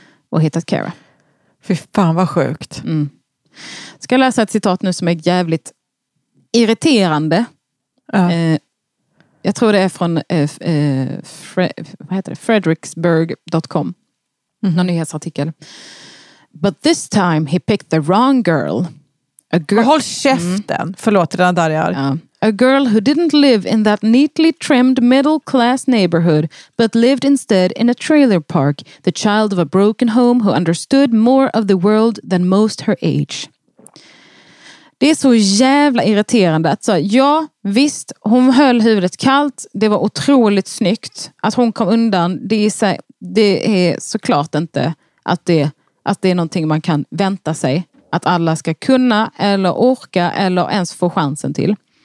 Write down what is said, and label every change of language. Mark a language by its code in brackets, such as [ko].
[sv] Och hittat Kara. Fy fan vad sjukt. Mm. Ska jag läsa ett citat nu som är jävligt irriterande. Ja. Jag tror det är från Fredericksburg.com. Mm. Någon nyhetsartikel. [en] But this time he picked the wrong girl. [sv] Håll käften. Mm. Förlåt, den där jag är. Ja. [en] A girl who didn't live in that neatly trimmed middle class neighborhood, but lived instead in a trailer park. The child of a broken home who understood more of the world than most her age. [sv] Det är så jävla irriterande. Alltså, ja, visst, hon höll huvudet kallt. Det var otroligt snyggt att hon kom undan. Det är såklart inte att det är någonting man kan vänta sig. Att alla ska kunna eller orka eller ens få chansen till.